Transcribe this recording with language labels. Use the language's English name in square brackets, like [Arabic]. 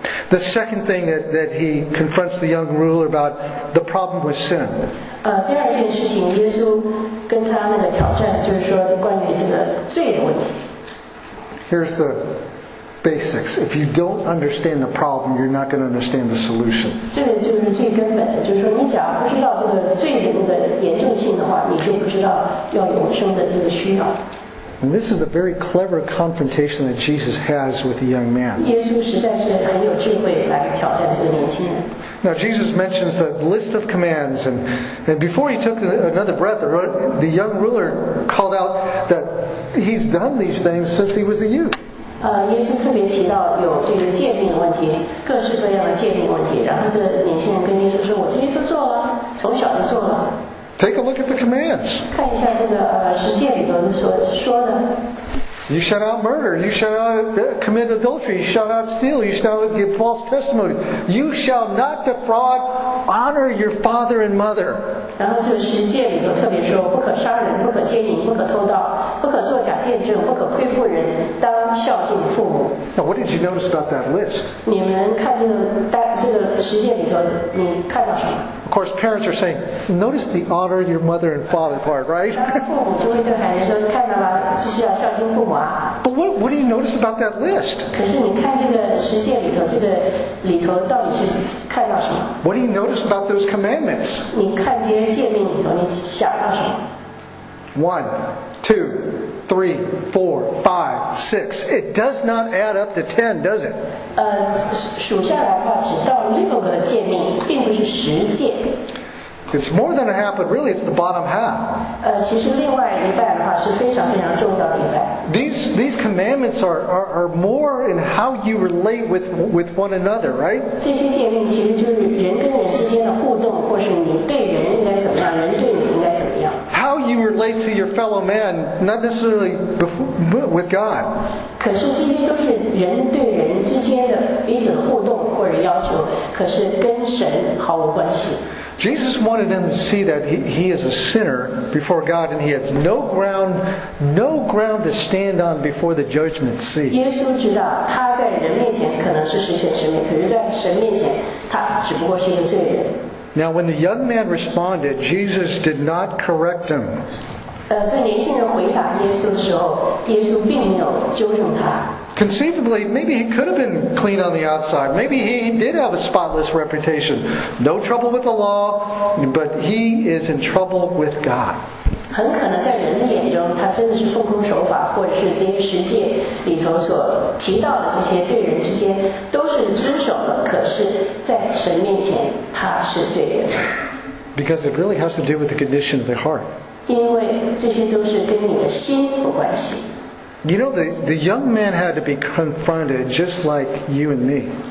[English] The second thing that he confronts the young ruler about, the problem with sin. [Chinese] 第二件事情，耶稣跟他那个挑战，就是说关于这个罪的问题。 [English] Here's the basics. If you don't understand the problem, you're not going to understand the solution. [Chinese] 这个就是最根本的，就是说你假如不知道这个罪的那个严重性的话，你就不知道要永生的这个需要。 [English] And this is a very clever confrontation that Jesus has with the young man. [Chinese] 耶稣实在是很有智慧来挑战这个年轻人。 [English] Now Jesus mentions the list of commands, and before he took another breath, the young ruler called out that he's done these things since he was a youth. [Chinese] 耶稣特别提到有这个诫命的问题，各式各样的诫命问题。然后这年轻人跟耶稣说：“我这些都做了，从小就做了。” [English] Take a look at the commands. [Chinese] 看一下这个十诫里头说的。 [English] You shall not murder. You shall not commit adultery. You shall not steal. You shall not give false testimony. You shall not defraud. Honor your father and mother. [Chinese] 然后这十诫里头特别说，不可杀人，不可奸淫，不可偷盗，不可作假见证，不可亏负人，当孝敬父母。 [English] Now, what did you notice about that list? [Chinese] 你们看这个十诫里头，你看到什么？ [English] Of course, parents are saying, "Notice the honor your mother and father part, right?" [Chinese] 父母就会对孩子说，看到吗？就是要孝敬父母啊。 [English] But what do you notice about that list? [Chinese] 可是你看这个十诫里头，这个里头到底是看到什么？ [English] What do you notice about those commandments? [Chinese] 你看这些诫命里头，你想到什么？ [English] 1, 2, 3, 4, 5, 6. It does not add up to 10, does it? [Chinese] 数下来的话，只到六个诫命，并不是十诫。 [English] It's more than a half, but really it's the bottom half. [Chinese] 其实另外一半的话是非常非常重要的一半。 [English] These commandments are more in how you relate with one another, right? [Chinese] 这些诫命其实就是人跟人之间的互动，或是你对人应该怎么样，人对你应该怎么样。 [English] How you relate to your fellow man, not necessarily with God. [Chinese] 可是这些都是人对人之间的彼此互动或者要求，可是跟神毫无关系。 [English] Jesus wanted them to see that he is a sinner before God and he has no ground to stand on before the judgment seat. [Chinese] 耶稣知道他在人面前可能是十全十美，可是在神面前他只不过是一个罪人。 [English] Now when the young man responded, Jesus did not correct him. [Chinese] 在年轻人回答耶稣的时候，耶稣并没有纠正他。 [English] Conceivably, maybe he could have been clean on the outside. Maybe he did have a spotless reputation. No trouble with the law, but he is in trouble with God. [Chinese] 很可能在人的眼中，他真的是奉公守法，或者是这些十诫里头所提到的这些对人之间都是遵守的，可是在神面前他是罪人。 [English] Because it really has to do with the condition of the heart. [Chinese] 因为这些都是跟你的心有关系。 [English] You know, the young man had to be confronted just like you and me.